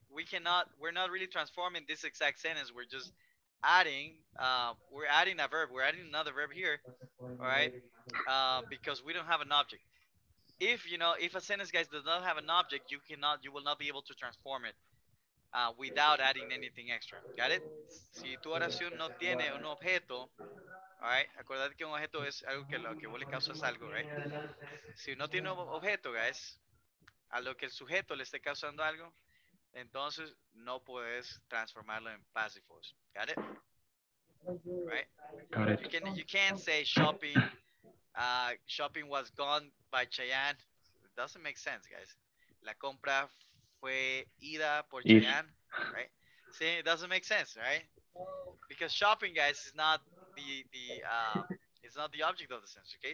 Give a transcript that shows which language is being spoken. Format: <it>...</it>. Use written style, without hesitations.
<en>We're not really transforming this exact sentence. We're just adding, we're adding a verb, we're adding another verb here, all right, because we don't have an object. If, you know, if a sentence, guys, does not have an object, you will not be able to transform it without adding anything extra. Got it?</en> <es>Si tu oración no tiene un objeto, all right, acordate que un objeto es algo que lo que vos le causas algo, right? Si no tiene objeto, guys, a lo que el sujeto le esté causando algo, entonces no puedes transformarlo en passive voice.</es> <en>Got it? Right? Got it. You can't say shopping was gone by Cheyenne. It doesn't make sense, guys.</en> <es>La compra fue ida por Cheyenne,</es> <en>right? See, it doesn't make sense, right? Because shopping, guys, is not the object of the sentence, okay?</en>